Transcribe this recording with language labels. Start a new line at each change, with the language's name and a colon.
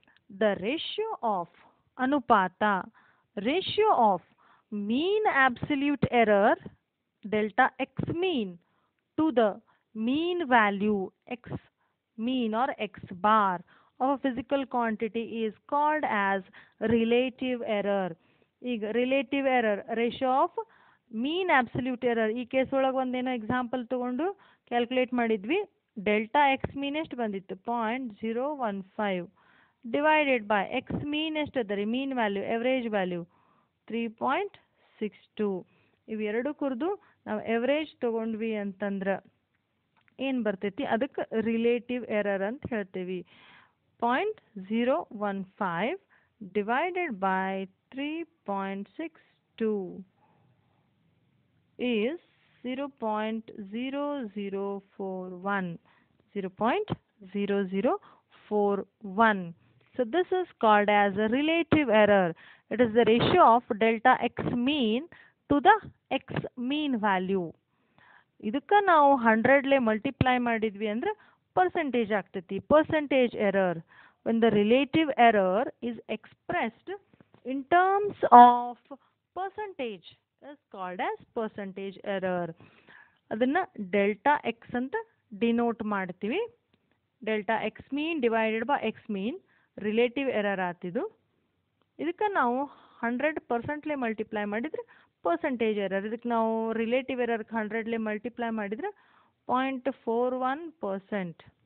English: The ratio of anupata, ratio of mean absolute error delta x mean to the mean value x mean or x bar of a physical quantity is called as relative error. ಈಗ relative error, ratio of mean absolute error.
Kannada: ಈ case ಒಳಗೆ ಒಂದೇನೋ example ತಗೊಂಡು calculate ಮಾಡಿದ್ವಿ. Delta X ಮೀನ್ ಎಷ್ಟು ಬಂದಿತ್ತು? 0.015 divided by X mean ಎಷ್ಟದರಿ?
English: Mean value, average value 3.62.
Kannada: ಇವೆರಡು ಕುರಿದು ನಾವು ಎವರೇಜ್ ತಗೊಂಡ್ವಿ ಅಂತಂದ್ರೆ ಏನು ಬರ್ತೈತಿ? ಅದಕ್ಕೆ ರಿಲೇಟಿವ್ ಎರರ್ ಅಂತ ಹೇಳ್ತೀವಿ.
English: 0.015 divided by 3.62 is 0.0041. So this is called as a relative error. It is the ratio of delta x mean to the x mean value.
Kannada: ಇದಕ್ಕೆ ನಾವು 100 ಲೆ ಮಲ್ಟಿಪ್ಲೈ ಮಾಡಿದ್ವಿ ಅಂದ್ರೆ ಪರ್ಸೆಂಟೇಜ್ ಆಗ್ತೈತಿ, percentage error.
English: When the relative error is expressed in terms of percentage is called as percentage error.
Kannada: ಅದನ್ನು delta X ಅಂತ denote ಮಾಡ್ತೀವಿ. Delta X mean divided by X mean relative error ಆತಿದು. ಇದಕ್ಕೆ ನಾವು 100%ಲೆ multiply ಮಾಡಿದರೆ percentage error. ಇದಕ್ಕೆ ನಾವು relative ಎರರ್ಗೆ 100ಲೆ multiply ಮಾಡಿದರೆ 0.41%.